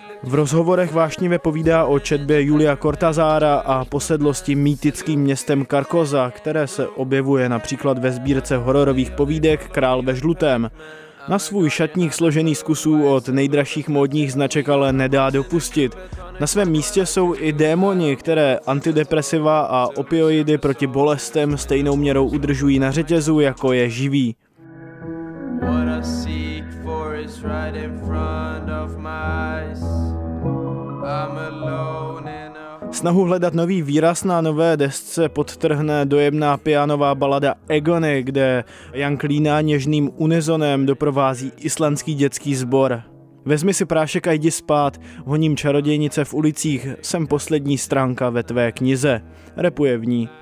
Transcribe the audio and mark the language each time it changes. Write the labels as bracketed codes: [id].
[cs] V rozhovorech vášnivě povídá o četbě Julia Cortázara a posedlosti mýtickým městem Carcosa, které se objevuje například ve sbírce hororových povídek Král ve žlutém. Na svůj šatník složený z kusů od nejdražších módních značek ale nedá dopustit. Na svém místě jsou i démoni, které antidepresiva a opioidy proti bolestem stejnou měrou udržují na řetězu, jako je živý. [en] What I seek for is right in front of my eyes. I'm alone in a... [cs] Snahu hledat nový výraz na nové desce podtrhne dojemná pianová balada Agony, kde Young Leana něžným unisonem doprovází islandský dětský sbor. Vezmi si prášek a jdi spát, honím čarodějnice v ulicích, jsem poslední stránka ve tvé knize. Rapuje v ní.